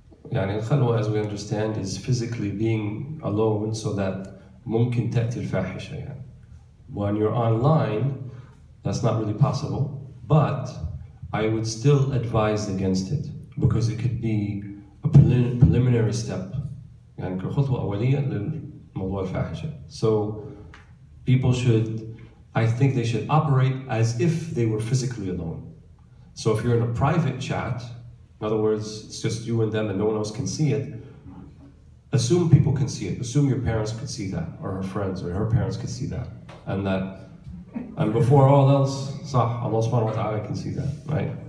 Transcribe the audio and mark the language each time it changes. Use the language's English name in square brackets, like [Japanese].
[Arabic] يعني الخلوة, [English] as we understand, is physically being alone so that [Arabic] ممكن تأتي الفاحشة. [English] When you're online, that's not really possible, but I would still advise against it because it could be a preliminary step. [Arabic] يعني كخطوة أولية للموضوع الفاحشة. [English] So people should, I think they should operate as if they were physically alone. So if you're in a private chat, in other words, it's just you and them and no one else can see it, assume people can see it. Assume your parents could see that, or her friends or her parents could see that. And that, and before all else, صح, Allah subhanahu wa ta'ala can see that, right?